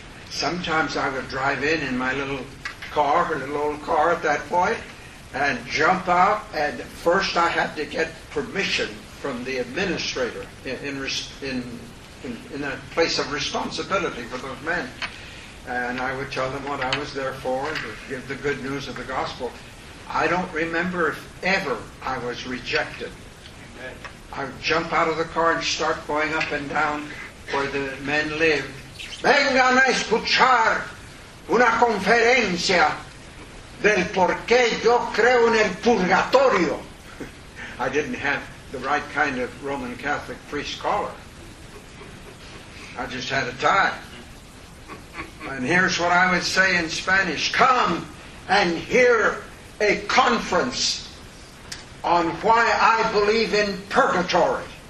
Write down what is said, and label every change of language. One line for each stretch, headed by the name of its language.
English: Sometimes I would drive in my little car, or little old car at that point, and jump out, and first I had to get permission from the administrator in a place of responsibility for those men. And I would tell them what I was there for, to give the good news of the gospel. I don't remember if ever I was rejected. Amen. I would jump out of the car and start going up and down where the men lived.
Spanish: Vengan a escuchar una conferencia del por qué yo creo en el purgatorio.
English: I didn't have the right kind of Roman Catholic priest collar. I just had a tie. And here's what I would say in Spanish. Come and hear a conference on why I believe in purgatory.